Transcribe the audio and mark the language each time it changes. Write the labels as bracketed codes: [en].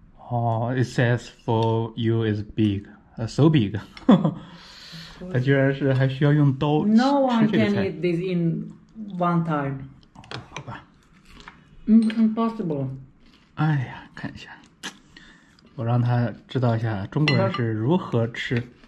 [en] Oh, it says for you is big, so big. [zh] 他居然是还需要用刀吃这个菜。 [en] No one can eat this in one time. [zh] 好吧。 [en] Impossible. [zh] 哎呀，看一下，我让他知道一下中国人是如何吃。